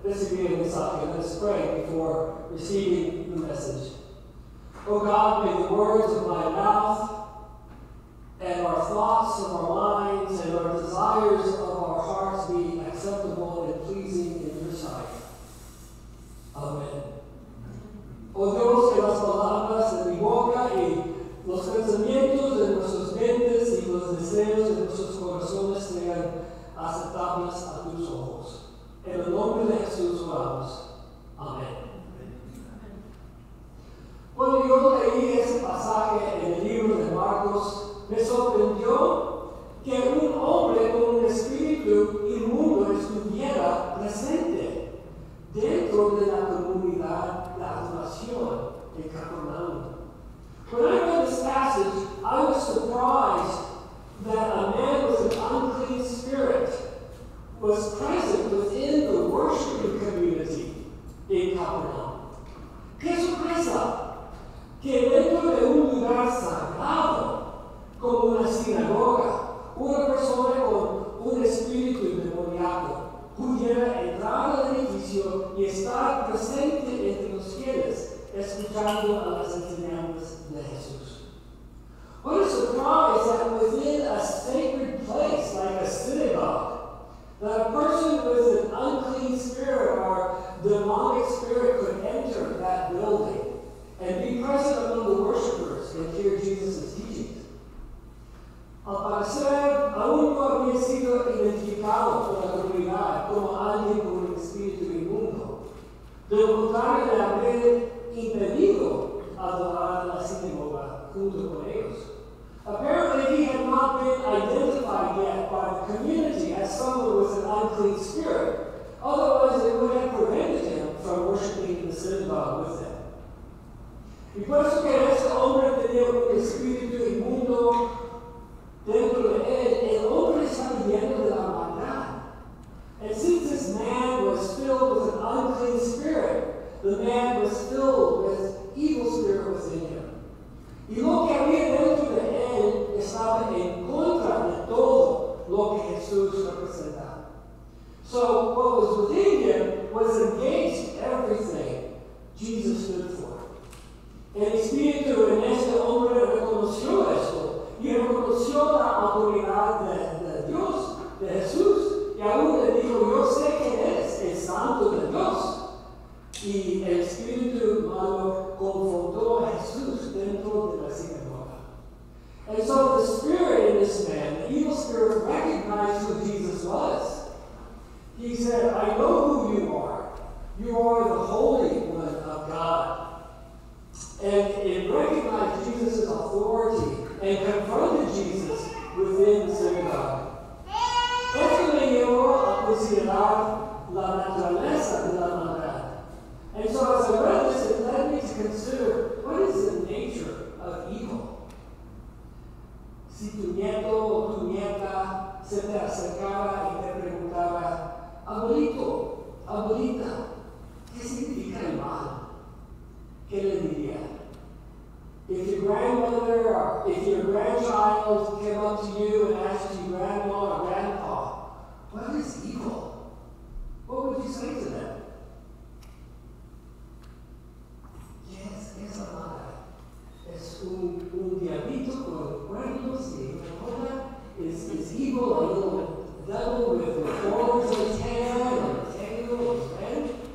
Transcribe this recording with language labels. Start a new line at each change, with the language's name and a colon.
English: Receiving the message. Oh God, may the words of my mouth of our minds and our desires of our hearts be acceptable and pleasing in your sight. Amen.
Spanish: Oh Dios, que las palabras de mi boca y los pensamientos de nuestras mentes y los deseos de nuestros corazones sean aceptables a tus ojos. En el nombre de Jesús, oramos. Amén. Cuando yo leí ese pasaje en el libro de Marcos, me sorprendió que un hombre con un espíritu inmundo estuviera presente dentro de la comunidad de adoración de Capernaum.
English: When I read this passage, I was surprised that a man with an unclean spirit was present within the worshiping community in Capernaum.
Spanish: ¡Qué sorpresa! Que dentro de un lugar sagrado, como una sinagoga, una persona con un espíritu demoníaco pudiera entrar al edificio y estar presente entre los fieles, escuchando a las enseñanzas de Jesús.
English: What a surprise that within a sacred place like a synagogue, that a person with an unclean spirit or demonic spirit could enter that building and be present among the worshipers and hear Jesus' teachings.
Spanish: Al parecer, aún no había sido identificado por la comunidad como alguien con un espíritu inmundo. De lo contrario, le habría impedido adorar la sinagoga junto con ellos.
English: Apparently, he had not been identified yet by the community as someone with an unclean spirit. Otherwise, it would have prevented him from worshiping in the synagogue with them.
Spanish: Y puesto que ese hombre tenía un espíritu inmundo dentro de él, el hombre está viviendo de la maldad.
English: And since this man was filled with an unclean spirit, the man was filled with evil spirit within him.
Spanish: Y lo que había dentro de él estaba en contra de todo lo que Jesús representaba.
English: So what was within him was against everything Jesus stood for.
Spanish: El espíritu en este hombre reconoció esto y reconoció la autoridad de Dios, de Jesús, y aún le dijo, yo sé que eres el santo de Dios. Y el espíritu malo confrontó a Jesús dentro de la sinagoga.
English: And so the spirit in this man, the evil spirit, recognized who Jesus was. He said, I know who you are. You are the Holy One of God. And it recognized Jesus' authority and confronted Jesus within the synagogue.
Spanish: Esto le llevó a considerar la naturaleza de la maldad.
English: And so as I read this, it led me to consider, what is the nature of evil?
Spanish: Si tu nieto o tu nieta se te acercara y te preguntara, abuelito, abuelita, ¿qué significa el mal? ¿Qué le diría?
English: If your grandmother or if your grandchild came up to you and asked you, grandma or grandpa, what is evil? What would you say to them? Yes,
Spanish: es amada. Es un diablito con cuernos y una
English: is evil, a little devil with the horns and his hair and the tail and his head.